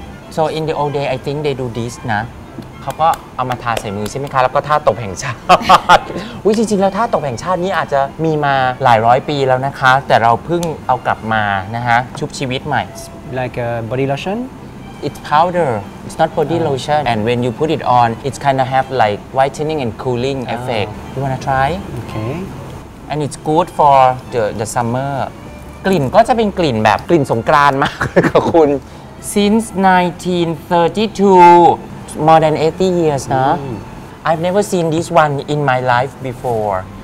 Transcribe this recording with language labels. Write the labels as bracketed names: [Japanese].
[English] So in the old day, I think they do this, nah. [Thai] เขาก็เอามาทาใส่มือใช่ไหมคะแล้วก็ท่าตบแห่งชาติวิจริงๆแล้วท่าตบแห่งชาตินี้อาจจะมีมาหลายร้อยปีแล้วนะคะแต่เราเพิ่งเอากลับมานะฮะชุบชีวิตใหม่ [English] like a body lotion it's powder it's not body lotion and when you put it on it's kind of have like whitening and cooling effect you wanna try okay and it's good for the summer [Thai] กลิ่นก็จะเป็นกลิ่นแบบกลิ่นสงกรานต์มากขอบคุณ [English] since 1932More than 80 years, nah. I've never seen this one in my life before.